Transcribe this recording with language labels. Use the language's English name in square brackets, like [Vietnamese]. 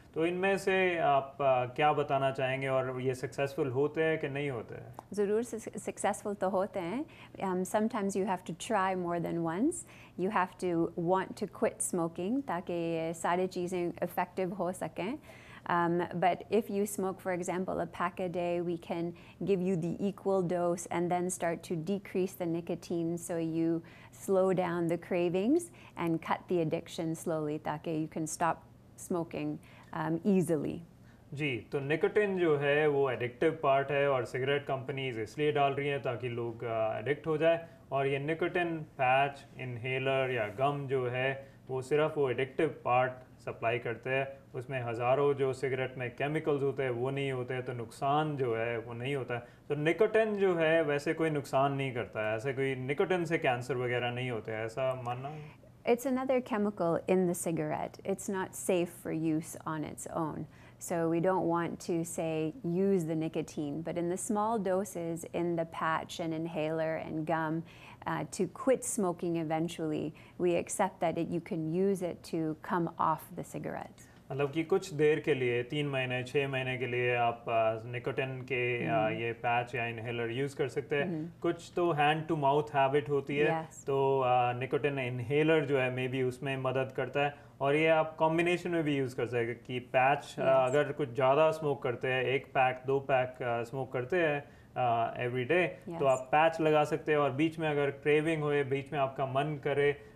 [Hindi] तो इनमें से आप क्या बताना चाहेंगे, और ये सक्सेसफुल होते हैं कि नहीं होते हैं? ज़रूर सक्सेसफुल तो होते हैं. [English] sometimes you have to try more than once, you have to want to quit smoking [Hindi] ताकि ये सारी चीज़ें इफेक्टिव हो सकें. [English] But if you smoke, for example, a pack a day, we can give you the equal dose and then start to decrease the nicotine so you slow down the cravings and cut the addiction slowly, ताकि you can stop smoking easily. [Hindi] जी, तो nicotine जो है वो addictive part है, और cigarette companies इसलिए डाल रही हैं ताकि लोग एडिक्ट हो जाए, और ये निकोटिन पैच, इनहेलर या गम जो है वो सिर्फ वो एडिक्टिव पार्ट सप्लाई करते हैं. उसमें हज़ारों जो सिगरेट में केमिकल्स होते हैं वो नहीं होते हैं, तो नुकसान जो है वो नहीं होता है. तो निकोटिन जो है वैसे कोई नुकसान नहीं करता है, ऐसे कोई निकोटिन से कैंसर वगैरह नहीं होते है, ऐसा मानना है? [English] It's another chemical in the cigarette. It's not safe for use on its own. So we don't want to say use the nicotine, but in the small doses in the patch and inhaler and gum to quit smoking eventually, we accept that you can use it to come off the cigarette. [Hindi] मतलब कि कुछ देर के लिए, 3 महीने, 6 महीने के लिए आप निकोटिन के ये पैच या इनहेलर यूज़ कर सकते हैं. कुछ तो हैंड टू माउथ हैबिट होती है, तो निकोटिन इनहेलर जो है मे बी उसमें मदद करता है, और ये आप कॉम्बिनेशन में भी यूज़ कर सकते हैं कि पैच अगर कुछ ज़्यादा स्मोक करते हैं, एक पैक, दो पैक स्मोक करते हैं एवरी डे, तो आप पैच लगा सकते हैं, और बीच में अगर क्रेविंग हो, बीच में आपका मन करे